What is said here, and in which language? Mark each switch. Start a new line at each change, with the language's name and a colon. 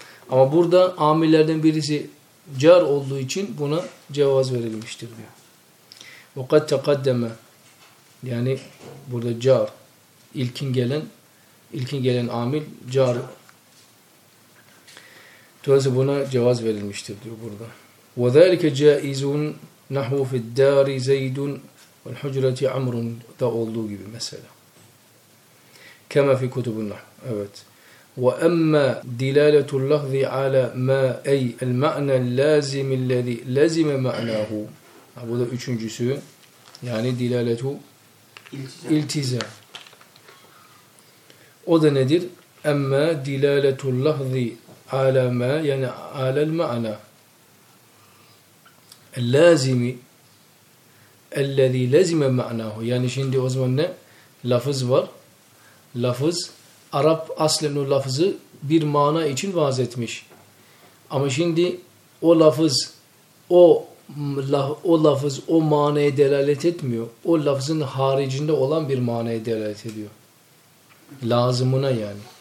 Turkish: Ama burada amillerden birisi car olduğu için buna cevaz verilmiştir diyor.
Arabic: وَقَدْ تَقَدَّمَ.
Turkish: Yani burada car, ilkin gelen amil car. Dolayısıyla buna cevaz verilmiştir diyor burada.
Arabic: وَذَٰلِكَ جَائِزٌ نَحْوُ فِي الدَّارِ زَيْدٌ وَالْحُجْرَةِ عَمْرٌ
Turkish: da olduğu gibi mesela.
Arabic: كما في كتب النحو.
Turkish: Evet.
Arabic: وأما دلالة اللفظ على ما أي المعنى اللازم الذي لزم معناه.
Turkish: Bu da üçüncüsü. Yani dilaletu iltizam. O da nedir?
Arabic: أما دلالة اللفظ على ما
Turkish: yani
Arabic: على المعنى اللازم الذي لزم معناه.
Turkish: Yani şimdi o zaman ne? Lafız var. Lafız, Arap aslen o lafızı bir mana için vaaz etmiş. Ama şimdi o lafız, o lafız o manaya delalet etmiyor. O lafızın haricinde olan bir manaya delalet ediyor. Lazımına yani.